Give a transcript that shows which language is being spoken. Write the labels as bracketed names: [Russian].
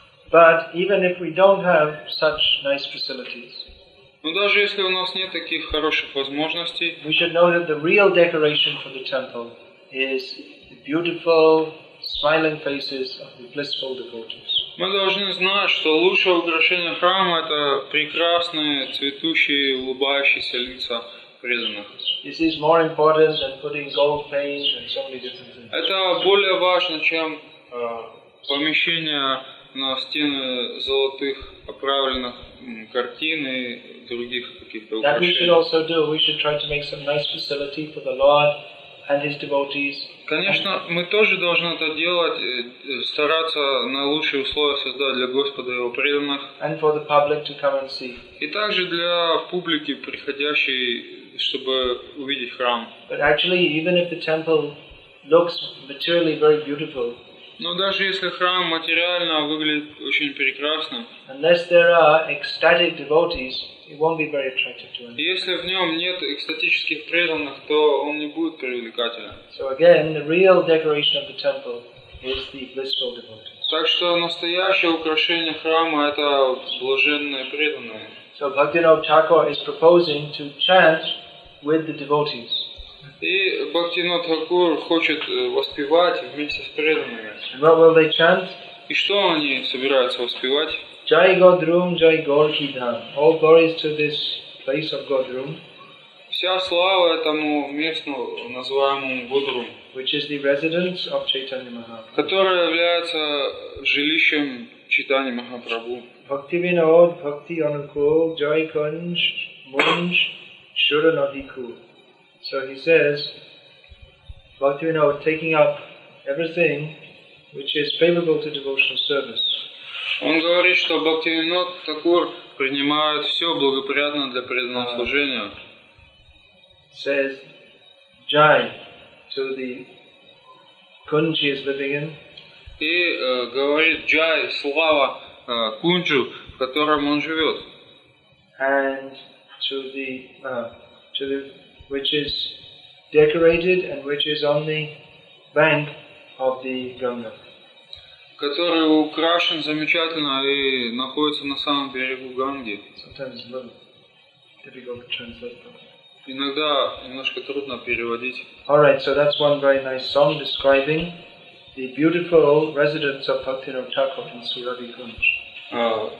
[English] But even if we don't have such nice facilities, [Russian] но даже если у нас нет таких хороших возможностей, [English] we should know that the real decoration for the temple is the beautiful smiling faces of the blissful devotees. [Russian] Мы должны знать, что лучшее украшение храма это прекрасные цветущие улыбающиеся лица. [English] This is more important than putting gold paint and so many different things. [Russian] Это более важно, чем помещение на стены золотых оправленных картин и других каких-то украшений. [English] That we should also do. We should try to make some nice facility for the Lord and his devotees. [Russian] Конечно, мы тоже должны это делать, стараться на лучшие условия создать для Господа и его преданных. [English] And for the public to come and see. [Russian] И также для публики, приходящей чтобы увидеть храм. [English] But actually, even if the temple looks materially very beautiful, [Russian] но даже если храм материально выглядит очень прекрасно, [English] unless there are ecstatic devotees, it won't be very attractive to anyone. [Russian] Если в нем нет экстатических преданных, то он не будет привлекателен. [English] So again, the real decoration of the temple is the blissful devotees. [Russian] Так что настоящее украшение храма — это блаженные преданные. [English] So Bhaktivinoda Thakur is proposing to chant with the devotees. [Russian] И Бхактивинода Тхакур хочет воспевать вместе с преданными. [English] And what will they chant? [Russian] И что они собираются воспевать? [English] Jai Godrum, Jai Gorki Dham. All glories to this place of Godrum. [Russian] Вся слава этому месту, называемому Годрум, [English] which is the residence of Chaitanya Mahaprabhu, [Russian] которая является жилищем Чайтаньи Махапрабху. [Bangla] Bhakti Vinod, Bhakti Anukul, Jai Kunj, Munj, Shuranadikul. [English] So he says, Bhakti Vinod, taking up everything which is favorable to devotional service. [Russian] Он говорит, что Bhakti Vinod Thakur принимает все благоприятно для преданного служения. [English] Says, Jai to the Kunj he is living in. [Russian] И говорит Джай, слава Кунджу, в котором он живет. [English] And to the which is decorated and which is on the bank of the Ganga. [Russian] Который украшен замечательно и находится на самом берегу Ганги. [English] Sometimes it's a little difficult to translate that. [Russian] Иногда немножко трудно переводить. [English] All right, so that's one very nice song describing the beautiful residence of Bhaktivinoda Thakur in Suradi Kunj.